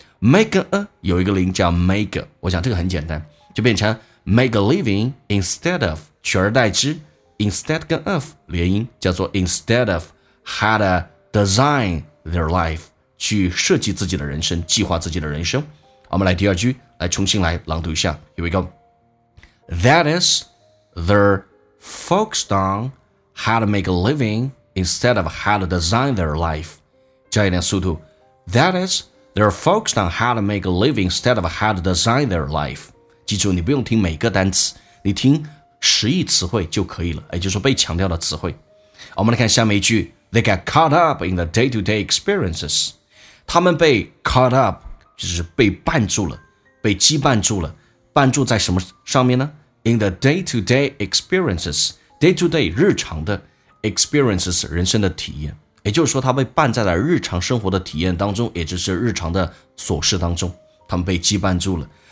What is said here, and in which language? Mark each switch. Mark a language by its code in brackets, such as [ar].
[zh] make a 有一个零叫 make， 我想这个很简单，就变成 [en] make a living instead of， [zh] 取而代之 instead 跟 of 连音叫做 [en] instead of how to design their life， [zh] 去设计自己的人生，计划自己的人生。我们来第二句，来重新来朗读一下。 [en] Here we go. That is, they're focused on how to make a living instead of how to design their life. [zh] 加一点速度。 That is, they're focused on how to make a living instead of how to design their life. 记住，你不用听每个单词，你听实义词汇就可以了，也就是说被强调的词汇。我们来看下面一句。 [en] They get caught up in the day-to-day experiences. [zh] 他们被 [en] caught up. [zh] 就是被绊住了，被羁绊住了，绊住在什么上面呢？ [en] In the day to day experiences， [zh] day to day 日常的 experiences 人生的体验，也就是说他被绊在了日常生活的体验当中，也就是日常的琐事当中，他们被羁绊住了。